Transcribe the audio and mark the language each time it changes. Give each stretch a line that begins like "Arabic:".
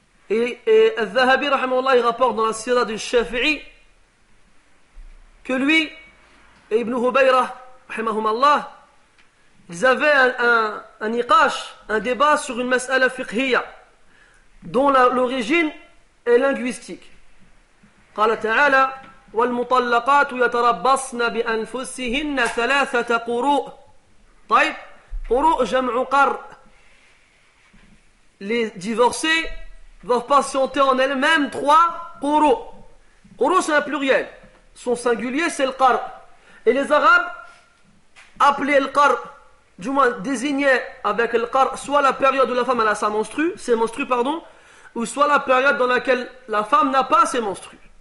French: Et Al-Zahabi, rahimahullah, il rapporte dans la sirah du Shafi'i que lui et Ibn Hubayra, rahimahumallah, ils avaient un iqash, un débat sur une mas'ala fiqhiyya, dont l'origine est linguistique.
Arabic: Qala ta'ala, وَالْمُطَلَّقَاتُ يَتَرَبَّصْنَ بِأَنفُسِهِنَّ ثَلَاثَةَ قُرُوءٍ. طيب, قُرُوءٍ جَمْعُ قَرْ.
French: Les divorcés doivent patienter en elles-mêmes trois قُرُوءٍ. قُرُوءٍ, c'est un pluriel. Son singulier, c'est le قَرْ. Et les Arabes appelaient le قَرْ, du moins désignaient avec le قَرْ, soit la période où la femme a sa menstrue, ses menstrues, pardon, ou soit la période dans laquelle la femme n'a pas ses menstrues.